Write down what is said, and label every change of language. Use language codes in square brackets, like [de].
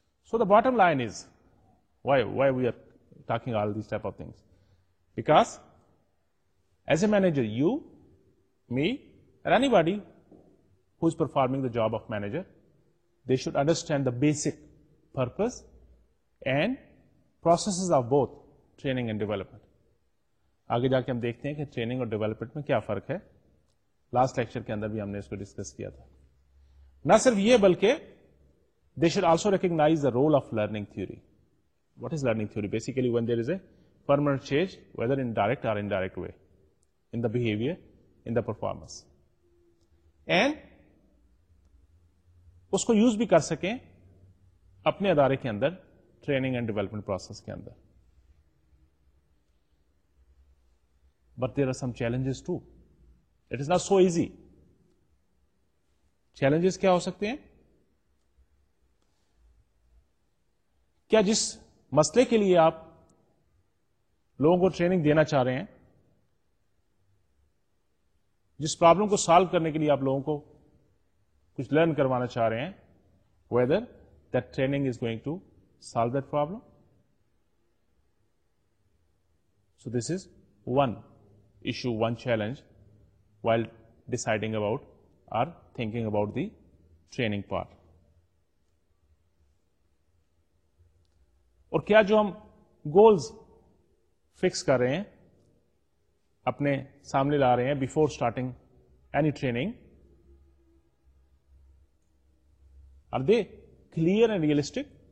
[en] So the bottom line is why we are talking all these type of things, because as a manager you me or anybody who is performing the job of manager, they should understand the basic purpose and processes of both training and development. [ur] آگے جا کے ہم دیکھتے ہیں کہ training اور development میں کیا فرق ہے. Last lecture کے اندر بھی ہم نے اس کو discuss کیا تھا. نہ صرف یہ بلکہ [en] they should also recognize the role of learning theory. What is learning theory? Basically when there is a permanent change, whether in direct or indirect way, in the behavior, in the performance. And [ur] اس کو use بھی کر سکیں اپنے ادارے کے اندر training and development process کے اندر. [en] But there are some challenges too. It is not so easy. [ur] Challenges کیا ہو سکتے ہیں؟ کیا جس مسئلے کے لیے آپ لوگوں کو ٹریننگ دینا چاہ رہے ہیں, جس پرابلم کو سالو کرنے کے لیے آپ لوگوں کو کچھ لرن کروانا چاہ رہے ہیں, [en] whether that training is going to solve that problem. So this is one issue, one challenge while deciding about or thinking about the training part. [ur] اور کیا جو ہم goals fix کر رہے ہیں اپنے سامنے لا رہے ہیں [en] before starting any training, are they clear and realistic?